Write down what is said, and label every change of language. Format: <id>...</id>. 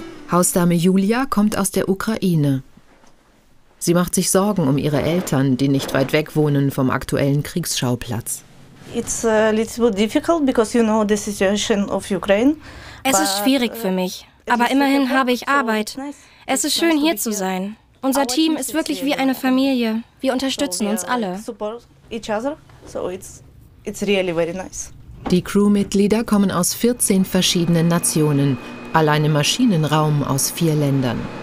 <de>Hausdame Julia kommt aus der Ukraine. Sie macht sich Sorgen um ihre Eltern, die nicht weit weg wohnen vom aktuellen Kriegsschauplatz.</de> <en>It's a little bit difficult because you know the situation of Ukraine.</en> <de>Es ist schwierig für mich, aber immerhin habe ich Arbeit. Es ist schön hier zu sein. Unser Team ist wirklich wie eine Familie. Wir unterstützen uns alle. Die Crewmitglieder kommen aus 14 verschiedenen Nationen, allein im Maschinenraum aus 4 Ländern.</de>